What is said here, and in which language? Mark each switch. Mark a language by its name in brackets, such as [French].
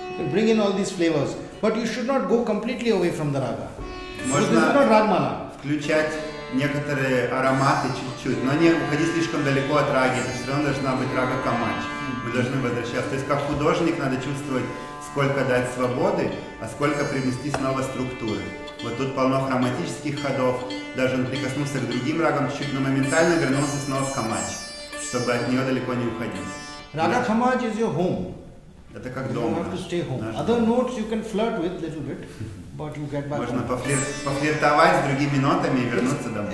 [English] Bring in all these flavors, but you should not go completely away from the raga. [Russian] Можно [English] this is not рагмала. [Russian] Включать некоторые ароматы чуть-чуть, но не уходить слишком далеко от раги. Это все равно должна быть рага Khammaj. Мы должны возвращаться. То есть как художник надо чувствовать, сколько дать свободы, а сколько привнести снова структуры. Вот тут полно хроматических ходов. Даже он прикоснулся к другим рагам чуть-чуть, но моментально вернулся снова в Khammaj, чтобы от нее далеко не уходить. [English] Рага Khammaj is your home. [Russian] Это как дом. [English] You have to stay home. Other notes you can flirt with a little bit, but you get back. [Russian] Можно пофлиртовать с другими нотами и вернуться домой.